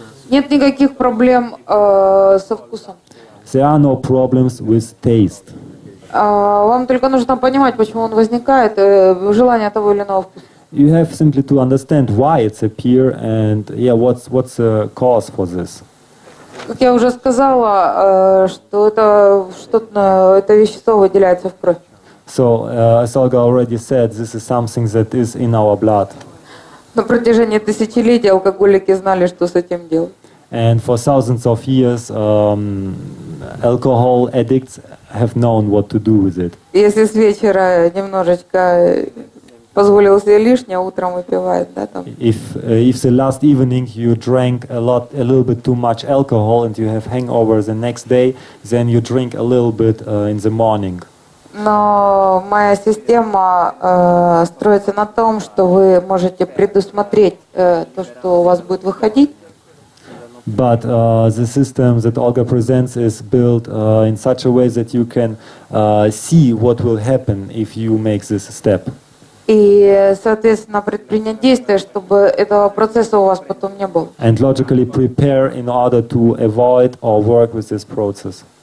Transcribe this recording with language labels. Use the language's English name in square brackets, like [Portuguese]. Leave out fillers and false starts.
[Russian] Нет никаких проблем со вкусом. [English] There are no problems with taste. [Russian] Вам только нужно понимать, почему он возникает, желание того или иного вкуса. [English] You have simply to understand why it's appear and yeah, what's the cause for this. [Russian] Как я уже сказала, что это что-то, это вещество выделяется в кровь. [English] So, as Olga already said, this is something that is in our blood. [Russian] На протяжении тысячелетий алкоголики знали, что с этим делать. [English] And for thousands of years, alcohol addicts have known what to do with it. [Russian] Если с вечера немножечко позволил себе лишнее, утром выпивает, да, там. [English] If the last evening you drank a little bit too much alcohol and you have hangover the next day, then you drink a little bit in the morning. [Russian] Но моя система строится на том, что вы можете предусмотреть то, что у вас будет выходить. [English] But the system that Olga presents is built in such a way that you can see what will happen if you make this step. [Russian] И, соответственно, предпринять действия, чтобы этого процесса у вас потом не было. [English] And logically prepare in order to avoid or work with this process.